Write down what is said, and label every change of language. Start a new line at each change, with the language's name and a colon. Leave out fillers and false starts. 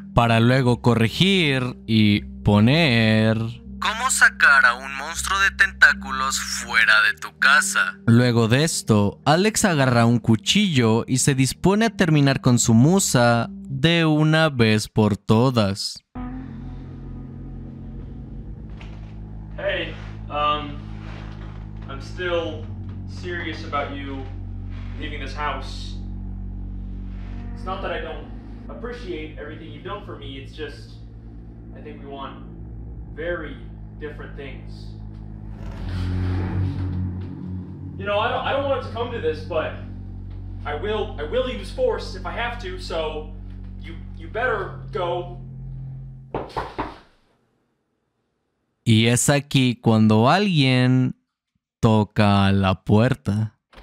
Spanish: Para luego corregir y poner... ¿Cómo sacar a un monstruo de tentáculos fuera de tu casa? Luego de esto, Alex agarra un cuchillo y se dispone a terminar con su musa de una vez por todas.
English: Hey, I'm still serious about you leaving this house. It's not that I don't appreciate everything you've done for me, it's just I think we want very different things. You know, I don't want it to come to this, but I will use force if I have to, so you better go.
Spanish: Y es aquí cuando alguien toca la puerta.